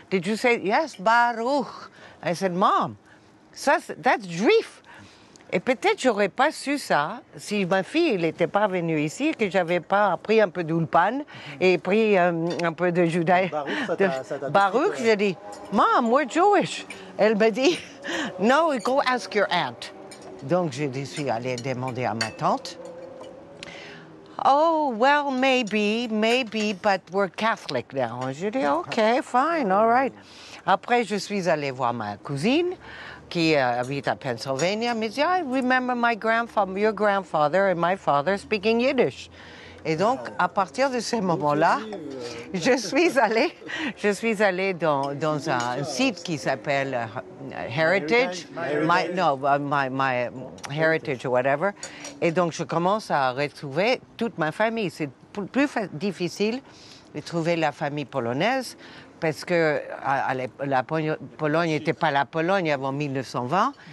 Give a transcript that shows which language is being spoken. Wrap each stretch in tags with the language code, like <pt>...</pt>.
<en>Did you say, yes,</en> <fr>Baruch. »</fr> <en>I said, « Mom, that's juif. »</en> <fr>Et peut-être j'aurais pas su ça si ma fille n'était pas venue ici et que j'avais pas pris un peu d'ulpan et pris un peu de judaïque. Baruch, j'ai dit,</fr> <en>« Mom, we're Jewish. »</en> <fr>Elle me dit,</fr> <en>« No, go ask your aunt. »</en> <fr>Donc, je suis allée demander à ma tante.</fr> <en>Oh, well, maybe, but we're Catholic now.</en> <fr>Je dis,</fr> <en>OK, fine, all right.</en> <fr>Après, je suis allée voir ma cousine qui habite à Pennsylvania. Elle me dit,</fr> <en>I remember my grandfather, your grandfather and my father speaking Yiddish.</en> <fr>Et donc, à partir de ce moment-là, je suis allée dans un site qui s'appelle Heritage,</fr> <en>my Heritage or whatever.</en> <fr>Et donc, je commence à retrouver toute ma famille. C'est plus difficile de trouver la famille polonaise parce que la Pologne n'était pas la Pologne avant 1920.</fr>